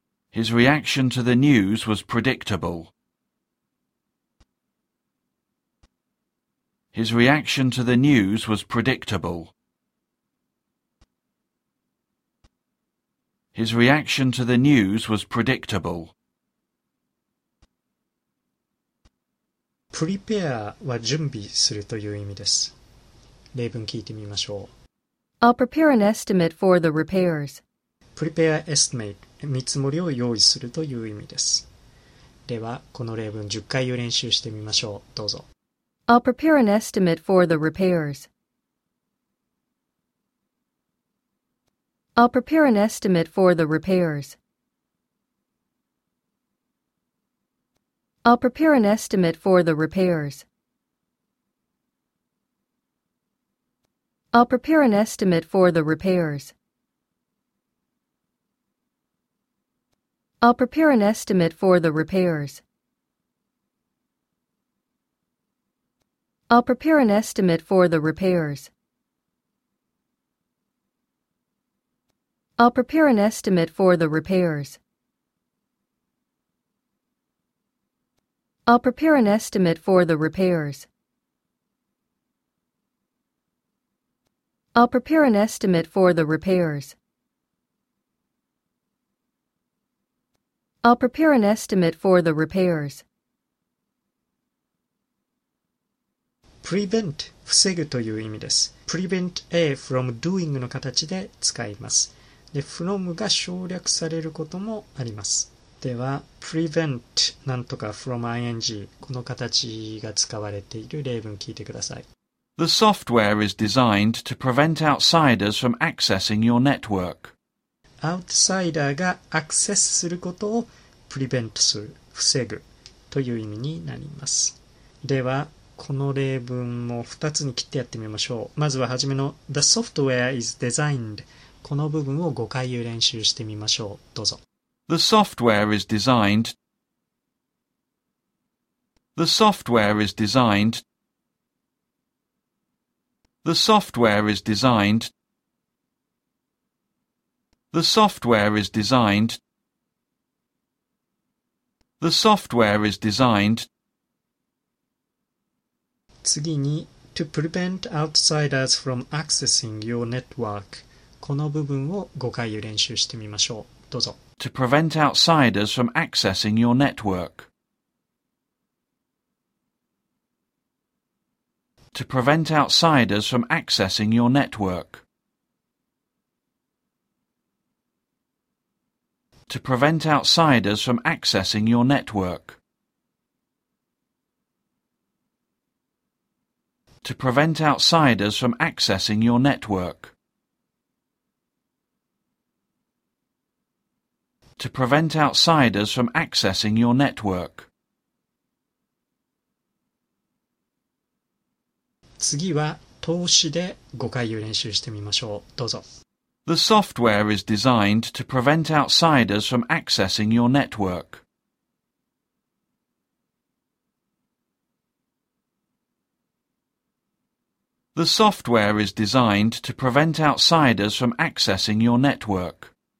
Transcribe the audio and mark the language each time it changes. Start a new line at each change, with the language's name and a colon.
English: His reaction to the news was predictable. His reaction to the news was predictable. His reaction to the news was predictable.
Japanese: Prepare は準備するという意味です。例文聞いてみましょう。
English: I'll prepare an estimate for the repairs.
Japanese: Prepare estimate 見積もりを用意するという意味です。ではこの例文10回を練習してみましょう。どうぞ。
English: I'll prepare an estimate for the repairs. I'll prepare an estimate for the repairs. I'll prepare an estimate for the repairs. I'll prepare an estimate for the repairs. I'll prepare an estimate for the repairs. I'll prepare an estimate for the repairs. I'll prepare an estimate for the repairs. I'll prepare an estimate for the repairs. I'll prepare an estimate for the repairs. I'll prepare an estimate for the repairs.
Japanese: Prevent 防ぐという意味です。 Prevent a from doing の形で使います。で、from が省略されることもあります。では、prevent なんとか from ing この形が使われている例文聞いてください。
English: The software is designed to prevent outsiders from accessing your network.
Japanese: Outsider がアクセスすることを prevent する、防ぐという意味になります。では、この例文も2つに切ってやってみましょう。まずは初めの
English: The software is designed
Japanese: この部分を5回言う練習してみましょう。どうぞ。
English: The software is designed The software is designed The software is designed The software is designed The software is designed
Japanese: 次に
English: To prevent outsiders from accessing your network
Japanese: この部分を5回練習してみましょう。どうぞ。
English: To prevent outsiders from accessing your network To prevent outsiders from accessing your network To prevent outsiders from accessing your networkTo prevent outsiders from accessing your network. To prevent outsiders from accessing your network.
Japanese: 次は通しで5回練習してみましょう。どうぞ。
English: The software is designed to prevent outsiders from accessing your network. The software is designed to prevent outsiders from accessing your network.